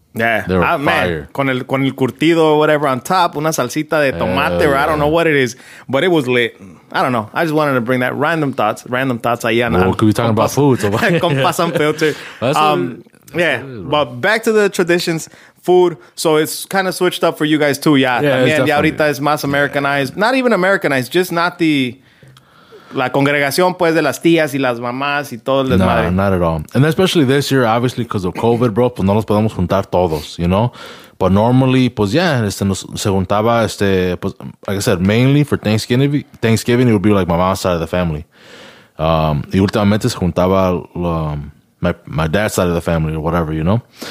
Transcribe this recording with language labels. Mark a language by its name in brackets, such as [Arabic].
[English] Yeah, [Spanish] con el curtido [English] or whatever on top, [Spanish] una salsita de tomate, [English] or I don't know what it is, but it was lit. I don't know. I just wanted to bring that random thoughts. [Spanish] Ahí [English] we could be talking about food. Con pasan filter. But back to the traditions, food. So it's kind of switched up for you guys too. Yeah, yeah, [Spanish] y ahorita es más Americanized. [English] Yeah. Not even Americanized, just not the... [Spanish] La congregación, pues, de las tías y las mamás y todo el desmadre. [English] No, not at all. And especially this year, obviously, because of COVID, bro, [Spanish] pues, no los podemos juntar todos, [English] you know? But normally, pues, yeah, [Spanish] se juntaba, pues, [English] like I said, mainly for Thanksgiving, it would be, like, my mom's side of the family. [Spanish] Y últimamente se juntaba [English] my dad's side of the family or whatever, you know?